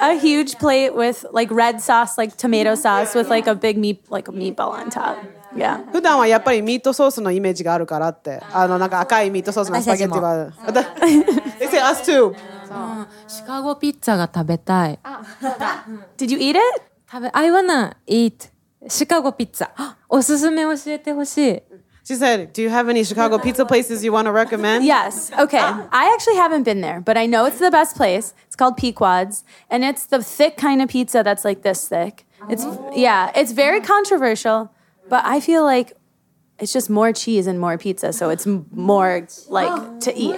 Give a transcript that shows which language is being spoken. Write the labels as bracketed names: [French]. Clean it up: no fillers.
[English] I think of like a huge plate with like red sauce, like tomato sauce, with like a big meat, like a meatball on top. Yeah. [Japanese] 普段はやっぱりミートソースのイメージがあるからって。なんか赤いミートソースのスパゲッティは。私たちも。 [English] They say us too. [Japanese] シカゴピッツァが食べたい。 [English] Did you eat it? [Japanese] 食べ、 [English] I wanna eat シカゴピッツァ。 [Japanese] おすすめ教えてほしい。 [English] She said, do you have any Chicago pizza places you want to recommend? Yes. Okay. I actually haven't been there, but I know it's the best place. It's called Pequod's, and it's the thick kind of pizza that's like this thick. It's very controversial. But I feel like it's just more cheese and more pizza, so it's more like to eat.